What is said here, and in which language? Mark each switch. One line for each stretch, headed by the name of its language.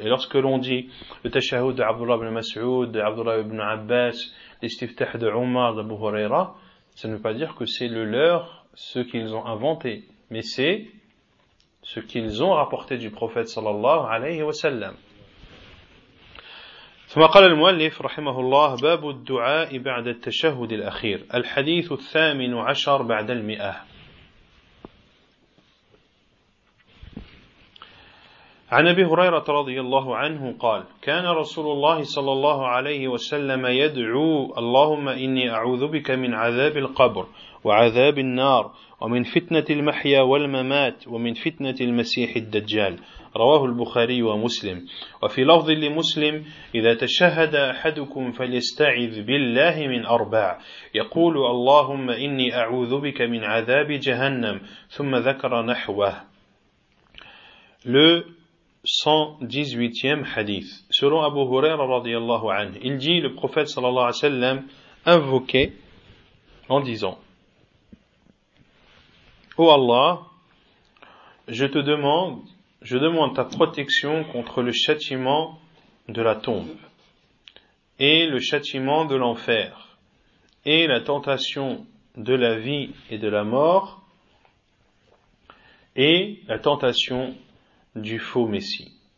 French: Et lorsque l'on dit le tashahoud d'Abdullah ibn Mas'ud, d'Abdullah ibn Abbas, l'istiftah de Omar, d'Abu Huraira, ça ne veut pas dire que c'est le leur, ce qu'ils ont inventé, mais c'est ce qu'ils ont rapporté du prophète sallallahu alayhi wa sallam.
Arabic: ثم قال المؤلف رحمه الله باب الدعاء بعد التشهد الأخير الحديث الثامن عشر بعد المئة. عن أبي هريرة رضي الله عنه قال كان رسول الله صلى الله عليه وسلم يدعو اللهم إني أعوذ بك من عذاب القبر وعذاب النار ومن فتنة المحيا والممات ومن فتنة المسيح الدجال رواه البخاري ومسلم وفي لفظ لمسلم إذا تشهد أحدكم فليستعذ بالله من أربع يقول اللهم إني أعوذ بك من عذاب جهنم ثم ذكر نحوه.
French: Le 118e hadith. Selon Abu Huraira radiyallahu anhu, il dit le prophète sallallahu alayhi wa sallam invoquait en disant: Ô Allah, je demande ta protection contre le châtiment de la tombe et le châtiment de l'enfer et la tentation de la vie et de la mort et la tentation du faux messie.